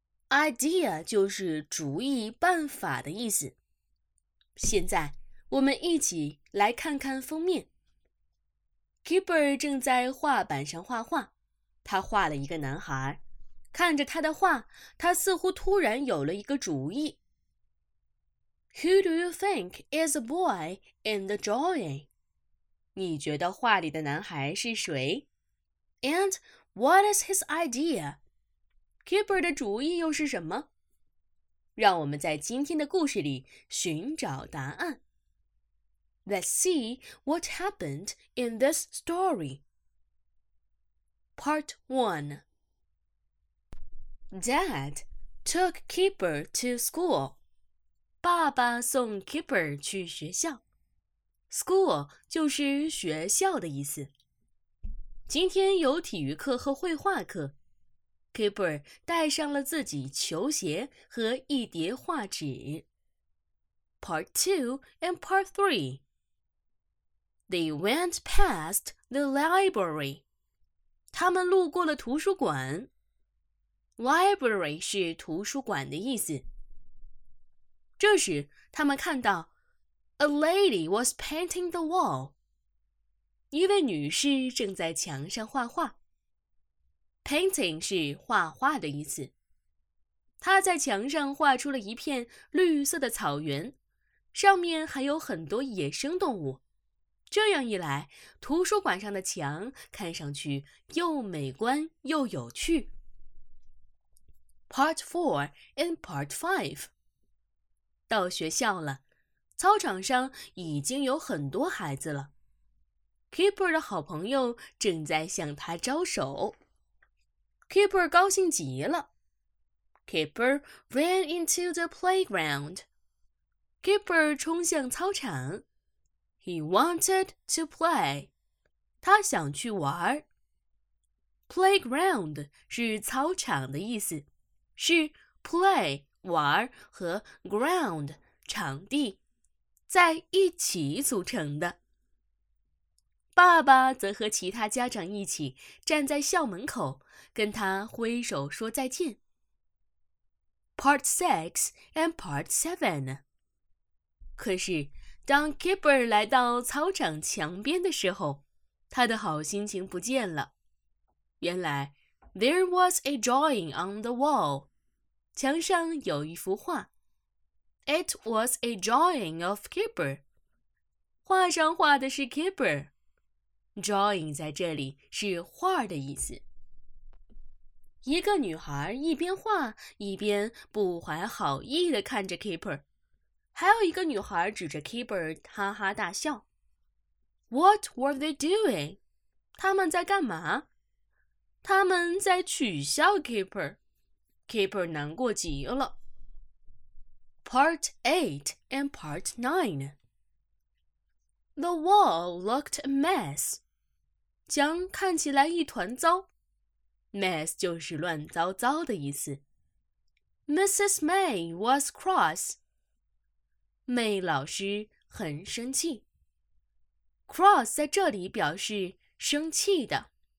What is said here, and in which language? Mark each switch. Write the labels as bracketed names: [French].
[Chinese] Idea 就是主意办法的意思。现在我们一起来看看封面。 Keeper 正在画板上画画，他画了一个男孩，看着他的画，他似乎突然有了一个主意。 [English] Who do you think is a boy in the drawing? [Chinese] 你觉得画里的男孩是谁？ [English] And what is his idea? [Chinese] Keeper 的主意又是什么？让我们在今天的故事里寻找答案。 [English] Let's see what happened in this story. Part 1Dad took Keeper to school. [Chinese] 爸爸送 Keeper 去学校。 School 就是学校的意思。今天有体育课和绘画课。 Keeper 带上了自己球鞋和一叠画纸。 Part 2 and Part 3 They went past the library. 他们路过了图书馆。 Library 是图书馆的意思。这时他们看到 [English] A lady was painting the wall. [Chinese] 一位女士正在墙上画画。 Painting 是画画的意思。她在墙上画出了一片绿色的草原，上面还有很多野生动物。这样一来，图书馆上的墙看上去又美观又有趣。 [English] Part 4 and Part 5 [Chinese] 到学校了，操场上已经有很多孩子了。 Keeper 的好朋友正在向他招手。 Keeper 高兴极了。 [English] Keeper ran into the playground. [Chinese] Keeper 冲向操场。 [English] He wanted to play. [Chinese] 他想去玩。 Playground 是操场的意思。是 play 玩和 ground 场地在一起组成的。爸爸则和其他家长一起站在校门口，跟他挥手说再见。 [English] Part 6 and Part 7 [Chinese] 可是当 Keeper 来到操场墙边的时候，他的好心情不见了。原来 [English] There was a drawing on the wall. [Chinese] 墙上有一幅画。 [English] It was a drawing of Keeper. [Chinese] 画上画的是 Keeper. Drawing 在这里是画的意思。一个女孩一边画一边不怀好意地看着 Keeper。还有一个女孩指着 Keeper 哈哈大笑。 [English] What were they doing? [Chinese] 他们在干嘛？他们在取笑 Keeper。 Keeper 难过极了。 [English] Part 8 and Part 9 The wall looked a mess. [Chinese] 墙看起来一团糟。 Mess 就是乱糟糟的意思。 [English] Mrs. May was cross. [Chinese] May 老师很生气。 Cross 在这里表示生气的。